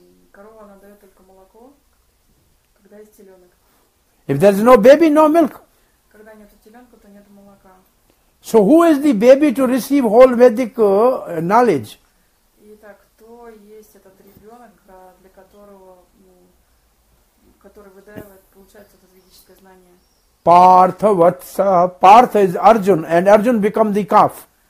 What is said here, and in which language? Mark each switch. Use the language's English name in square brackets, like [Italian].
[Russian] Корова она дает только молоко, когда есть теленок. [English] If there is no baby, no milk. [Russian] Когда нет теленка, то нет молока. [English] So who is the baby to receive whole Vedic knowledge? [Russian] Итак, кто есть этот ребенок, для которого, который выдаивает, получается, это ведическое знание? [English] Partha Vatsa. Partha is Arjun, and Arjun become the calf.